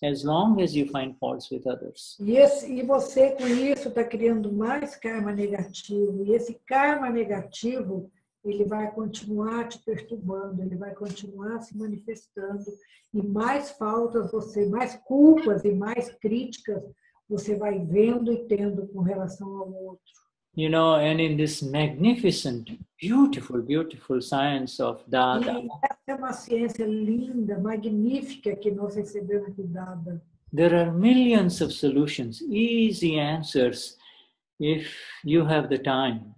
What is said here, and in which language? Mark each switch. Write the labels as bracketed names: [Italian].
[English] As long as you find faults with others. [Portuguese] Yes, e você com isso está criando mais karma negativo. E esse karma negativo, ele vai continuar te perturbando, ele vai continuar se manifestando. E mais faltas você, mais culpas e mais críticas você vai vendo e tendo com relação ao outro. [English] You know, and in this magnificent, beautiful, beautiful science of Dada. [Portuguese] E essa é uma ciência linda, magnífica que nós recebemos do Dada. [English] There are millions of solutions, easy answers, if you have the time.